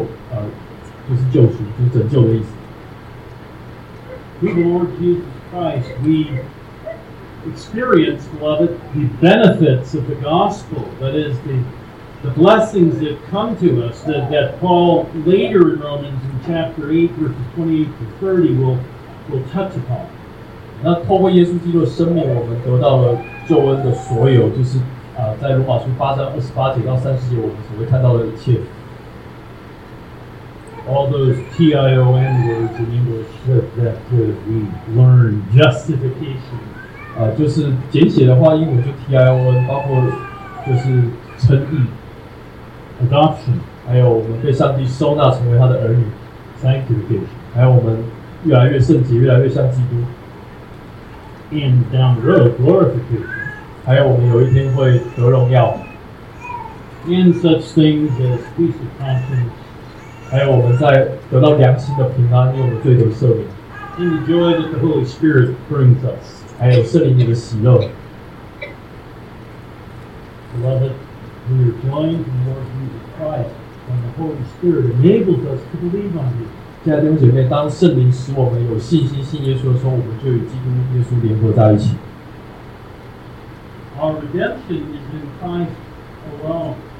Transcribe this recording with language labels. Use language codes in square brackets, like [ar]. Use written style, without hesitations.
[zh] 他的名字的意思，耶稣的名字的意思就是救赎，就是拯救的意思。 [en] To the Lord Jesus Christ, we experience, beloved, the benefits of the gospel, that is, the blessings that come to us that Paul later in Romans in chapter 8, verses 28 to 30 will touch upon. [zh] 那透过耶稣基督的生命，我们得到了救恩的所有，就是。在罗马书8章28节到30节，我们所会看到的一切 [en] ，all those TION words in English that we learn justification， [zh] 就是简写的话，英文就 TION， 包括就是称义 [en] ，adoption， [zh] 还有我们被上帝收纳成为他的儿女 [en] ，sanctification， [zh] 还有我们越来越圣洁，越来越像基督 [en] ，and down the road glorification。 [zh] 还有我们有一天会得荣耀 [en] ，in such things as peace of conscience， [zh] 还有我们在得到良心的平安，因为我们罪得赦免 [en] ，in the joy that the Holy Spirit brings us， [zh] 还有圣灵的喜乐 [en] ，Beloved， we are joined in the Lord Jesus Christ， and the Holy Spirit enables us to believe on Him。 [zh] 亲爱的弟兄姐妹，当圣灵使我们有信心信耶稣的时候，我们就与基督耶稣联合在一起。 [en] Our redemption is in Christ alone.